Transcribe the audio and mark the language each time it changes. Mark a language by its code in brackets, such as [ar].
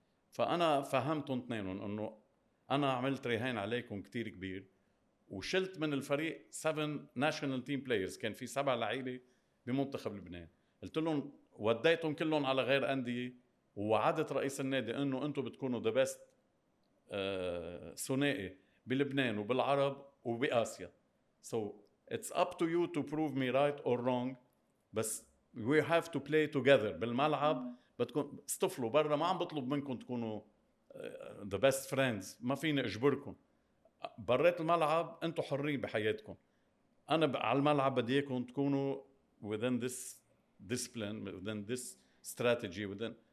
[ar] فأنا فهمتهم اثنينهم أنه أنا عملت رهان عليكم كتير كبير، وشلت من الفريق 7 [en] national team players، [ar] كان في 7 لعيبة بمنتخب لبنان، قلت لهم وديتهم كلهم على غير أندية، ووعدت رئيس النادي أنه أنتوا بتكونوا [en] the best [ar] ثنائي بلبنان وبالعرب وبآسيا. [en] so it's up to you to prove me right or wrong، بس we have to play together بالملعب. [ar] بتكون استفلوا برا، ما عم بطلب منكم تكونوا [en] the best friends، [ar] ما فيني اجبركم بريت الملعب، انتو حرين بحياتكم، انا على الملعب بديكم تكونوا [en] within this discipline within this strategy within.